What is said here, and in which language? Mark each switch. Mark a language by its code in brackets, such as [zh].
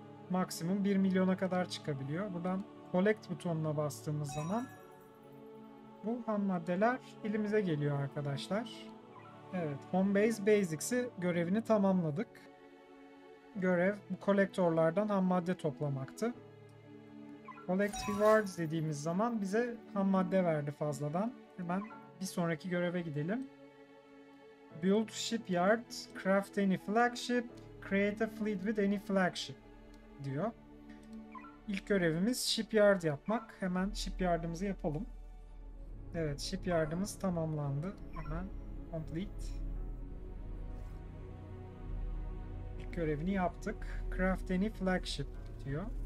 [tr] Maksimum 1 milyona kadar çıkabiliyor. Buradan Collect butonuna bastığımız zaman bu ham maddeler elimize geliyor arkadaşlar. Evet, Homebase Basics'i görevini tamamladık. Görev bu kolektörlerden ham madde toplamaktı. Collect Rewards dediğimiz zaman bize ham madde verdi fazladan. Hemen bir sonraki göreve gidelim. [en] Build Shipyard, Craft Any Flagship, Create a Fleet with Any Flagship diyor. [tr] İlk görevimiz Shipyard yapmak. Hemen Shipyard'ımızı yapalım. Evet, Shipyard'ımız tamamlandı. Hemen Complete. İlk görevini yaptık. [en] Craft Any Flagship [tr] diyor.